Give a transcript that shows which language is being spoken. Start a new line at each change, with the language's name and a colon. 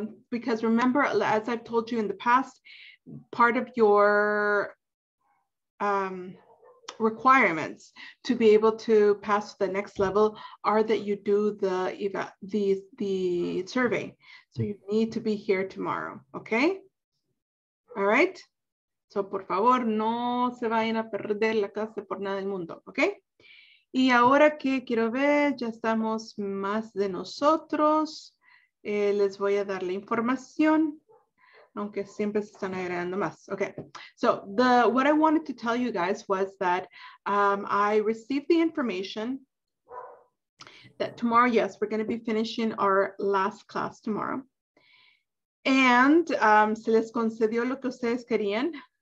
English: Because remember, as I've told you in the past, part of your requirements to be able to pass the next level are that you do the survey. So you need to be here tomorrow, okay? All right.
Spanish: So, por favor, no se vayan a perder la clase por nada del mundo, ¿ok? Y ahora que quiero ver, ya estamos más de nosotros. Les voy a dar la información, aunque siempre se están agregando más.
English: Ok, so what I wanted to tell you guys was that I received the information that tomorrow, yes, we're going to be finishing our last class tomorrow.
Spanish: And se les concedió lo que ustedes querían.